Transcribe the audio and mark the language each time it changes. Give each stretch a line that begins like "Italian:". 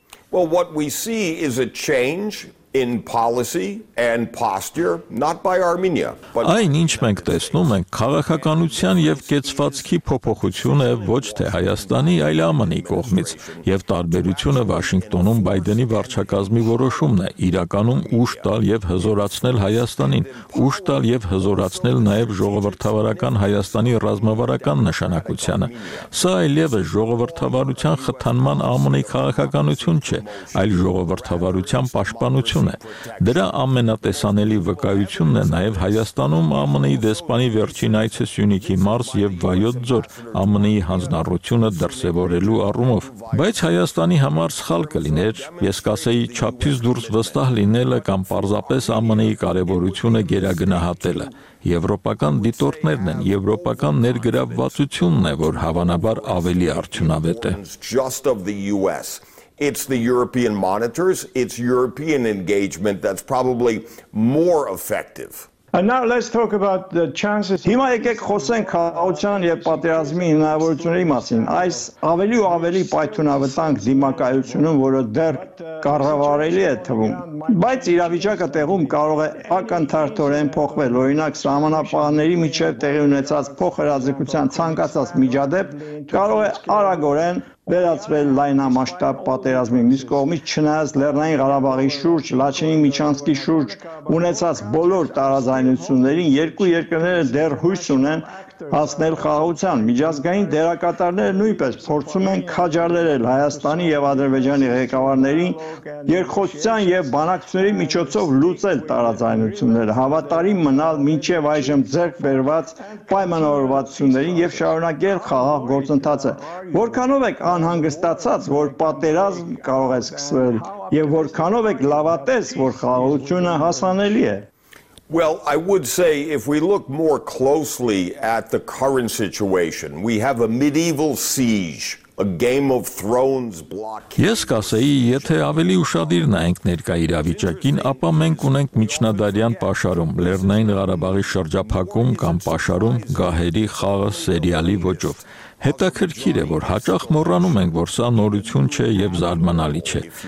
English: Well, what we see is a change in policy and posture, not by Armenia, but
Armenian: այն, ինչ մենք տեսնում ենք, քաղաքականության եւ կեցվածքի փոփոխություն է ոչ թե Հայաստանի, այլ ԱՄՆ-ի կողմից, եւ տարբերությունը Վաշինգտոնում Բայդենի վարչակազմի որոշումն է՝ իրականում ուշ տալ եւ հզորացնել Հայաստանին, ուշ տալ եւ հզորացնել նաեւ ժողովրդավարական Հայաստանի ռազմավարական նշանակությունը։ Սա այլևս ժողովրդավարության խթանման ԱՄՆ-ի քաղաքականություն չէ, այլ ժողովրդավարության պաշտպանություն։ Դրա ամենատեսանելի վկայությունն է նաև Հայաստանում ԱՄՆ-ի դեսպանի վերջին այցը Սյունիքի մարզ եւ Վայոց ձոր ԱՄՆ-ի հանձնառությունը դրսեւորելու առումով։ Բայց Հայաստանի համար սխալ կլիներ, ես կասեի, չափից դուրս վստահ լինելը կամ պարզապես ԱՄՆ-ի կարևորությունը գերագնահատելը։ Եվրոպական դիտորդներն են, եվրոպական ներգրավվածությունն է, որ հավանաբար ավելի արդյունավետ է։
English: It's the European monitors, it's European engagement that's probably more effective. And now let's talk about the chances.
Armenian: Հիմա եկեք խոսենք քաղաքական եւ պատերազմի հնարավորությունների մասին։ Այս ավելի ու ավելի պայթունավտանգ դիմակայությունում, որը դեռ կառավարելի է թվում, բայց իրավիճակը տեղում կարող է ակնթարթորեն փոխվել, օրինակ սահմանապահների միջև տեղի ունեցած փոխհրաձգության ցանկացած միջադեպ կարող է արագորեն վերածվել լայնամասշտաբ պատերազմի։ Մի կողմից չնայած Լեռնային Ղարաբաղի շուրջ, Լաչինի միջանցքի շուրջ ունեցած բոլոր տարաձայնություններին երկու երկրները դեռ հույս ունեն հասնել խաղաղության։ Միջազգային դերակատարները նույնպես փորձում են քաջալերել Հայաստանի եւ Ադրբեջանի ղեկավարներին երկխոսության եւ բանակցությունների միջոցով լուծել տարաձայնությունները, հավատարիմ մնալ մինչեւ այժմ ձեռք բերված պայմանավորվածություններին եւ շարունակել խաղաղ գործընթացը։ Որքանով եք անհանգստացած, որ պատերազմ կարող է սկսվել, եւ որքանով եք լավատես, որ խաղաղությունը հասանելի է։
English: Well, I would say if we look more closely at the current situation, we have a medieval siege, a Game of Thrones blockade.
Armenian: Ես կասեի, եթե ավելի ուշադիր նայենք ներկայ իրավիճակին, ապա մենք ունենք միջնադարյան պաշարում, Լեռնային Ղարաբաղի շրջափակում կամ պաշարում գահերի խաղը սերիալի ոճով։ Հետաքրքիր է, որ հաճախ մոռանում ենք, որ սա նորություն չէ եւ զարմանալի չէ։